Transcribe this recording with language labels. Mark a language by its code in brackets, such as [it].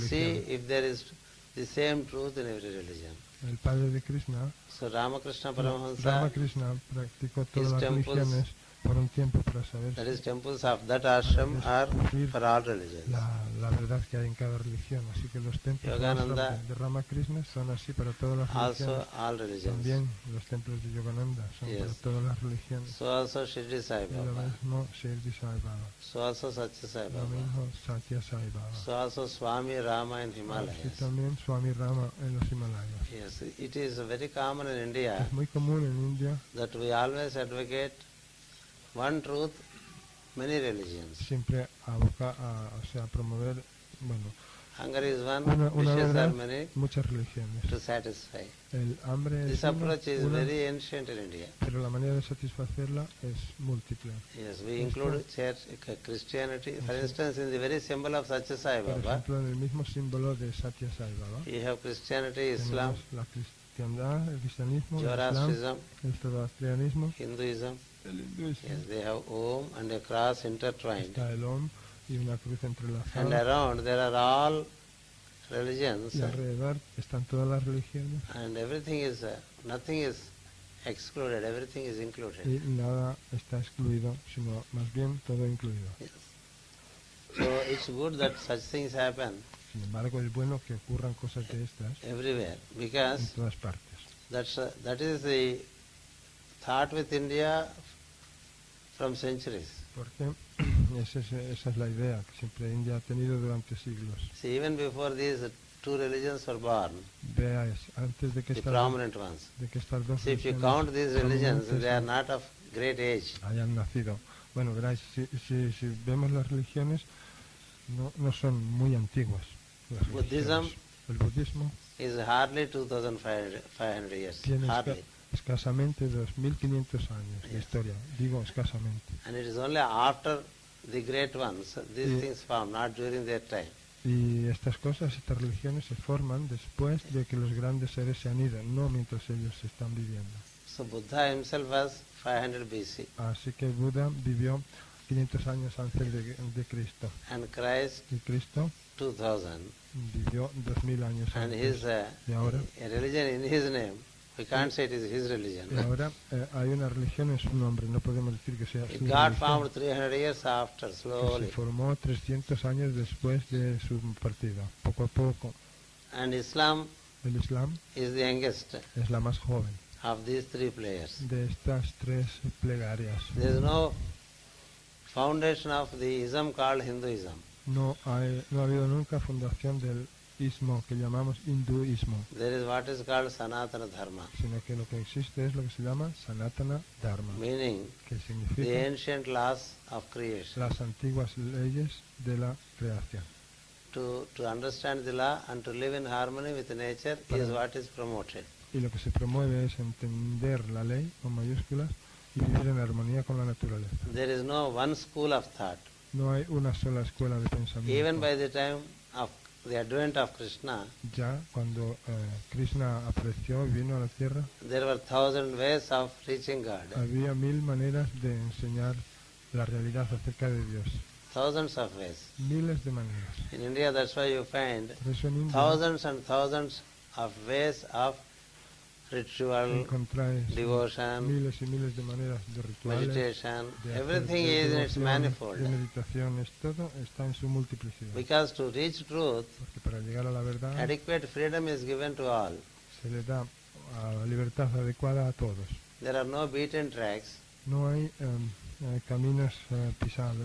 [en] To see if there is the same truth in every religion. [es] El padre de Krishna. [en] So Ramakrishna Paramahansa. [es] Ramakrishna practicó todas las religiones por un tiempo para saber. [en] That is, temples of that ashram are for all religions. [es] La verdad que hay en cada religión, así que los templos de Ramakrishna son así para todas las religiones. [en] Also all religions. [es] También los templos de Yogananda son [en] yes. [es] Para todas las religiones. [en] So also Shirdi Sai Baba. [es] Lo mismo Shirdi Sai Baba. [en] So also Satya Sai Baba. [es] Lo mismo Satya Sai Baba. [en] So also Swami Rama in Himalayas. [es] Y también Swami Rama en los Himalayas. [en] Yes, it is very common in India. [es] Es muy común en India. [en] That we always advocate one truth. Many religions. [es] Siempre aboca a promover, bueno, [en] hunger is one, wishes are many, [es] muchas religiones. [en] To satisfy. [es] El hambre [en] this approach [es] una, [en] is very ancient in India. [es] Pero la manera de satisfacerla es múltiple. [en] Yes, we include Christianity. For instance, in the very symbol of Satya Sai Baba. [es] Por ejemplo, en el mismo símbolo de Satya Sai Baba. [en] You have Christianity, Islam. [es] La cristiandad, el cristianismo, el zoroastrianismo, [en] Hinduism. Yes, they have Om and a cross intertwined. [es] Está el Om y una cruz entrelazada. [en] And around there are all religions. [es] Y alrededor están todas las religiones. [en] And everything is nothing is excluded. Everything is included. [es] Y nada está excluido, sino más bien todo incluido. [en] Yes. So it's good that such things happen. [es] Sin embargo, es bueno que ocurran cosas de estas. [en] Everywhere, because [es] en todas partes. [en] That is the thought with India. From centuries. [es] Porque esa es la idea que siempre India ha tenido durante siglos. [en] See, even before these two religions were born. [es] Veas, antes de que [en] the prominent ones. [es] De que estas dos [en] see, if you count these religions, they are not of great age. [es] Hayan nacido. Bueno, veráis, si vemos las religiones, no son muy antiguas. [en] Buddhism. [es] El budismo. [en] Is hardly 2,500 years. Hardly. [es] Escasamente 2.500 años de historia, digo escasamente. [en] And it is only after the great ones these things form, not during their time. [es] Y estas religiones se forman después de que los grandes seres se han ido, no mientras ellos se están viviendo. [en] So Buddha himself was 500 BC. [es] Así que Buda vivió 500 años antes de Cristo. [en] And Christ. [es] Y Cristo. [en] 2,000. [es] Vivió 2,000 años antes. [en] And his [es] y ahora, [en] a religion in his name. We can't say it is his religion. [es] Ahora hay una religión en su nombre, no podemos decir que sea su [en] God found 300 years after, slowly. [es] Se formó 300 años después de su partida, poco a poco. [en] And Islam, [es] el Islam [en] is the youngest [es] es la más joven [en] of these three players. [es] De estas tres plegarias. [en] There is no foundation of the ism called Hinduism. [es] No ha habido nunca fundación del ismo que llamamos hinduismo. [en] There is what is called Sanatana Dharma. [es] Sino que lo que existe es lo que se llama Sanatana Dharma. [en] Meaning, [es] que significa [en] the ancient laws of creation. [es] Las antiguas leyes de la creación. [en] To understand the law and to live in harmony with nature [es] para, [en] is what is promoted. [es] Y lo que se promueve es entender la ley con mayúsculas y vivir en armonía con la naturaleza. [en] There is no one school of thought. [es] No hay una sola escuela de pensamiento. [en] Even by the time of the advent of Krishna, [es] ya cuando Krishna apareció y vino a la tierra, [en] there were thousand ways of reaching God. [es] Había mil maneras de enseñar la realidad acerca de Dios. [en] Thousands of ways. [es] Miles de maneras. [en] In India, that's why you find [es] India, [en] thousands and thousands of ways of ritual, devotion, [es] miles y miles de maneras de rituales, [en] meditation, [es] de [en] everything [es] de [en] is in its manifold. [es] De meditación es todo, está en su multiplicidad. [en] Because to reach truth, [es] porque para llegar a la verdad, [en] adequate freedom is given to all. [es] Se le da a la libertad adecuada a todos. [en] There are no beaten tracks. [es] No hay caminos pisados.